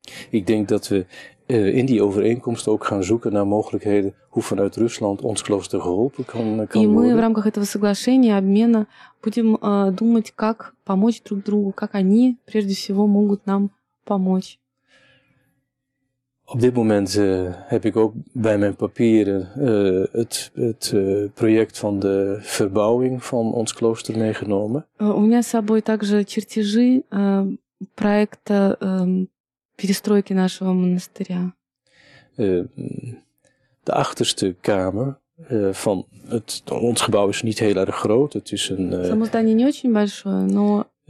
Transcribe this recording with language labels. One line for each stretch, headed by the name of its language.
Dutch: Ik denk dat we in die overeenkomst ook gaan zoeken naar mogelijkheden hoe vanuit Rusland ons klooster geholpen kan worden.
Russian: И мы в рамках этого соглашения обмена будем думать, как помочь друг другу, как они прежде всего могут нам помочь.
Dutch: Op dit moment heb ik ook bij mijn papieren het project van de verbouwing van ons klooster meegenomen.
Russian: У меня с собой также чертежи проекта перестройки нашего монастыря.
Dutch: De achterste kamer van het ons gebouw is niet heel erg groot. Het is een.
Russian: Само здание не очень большое, но.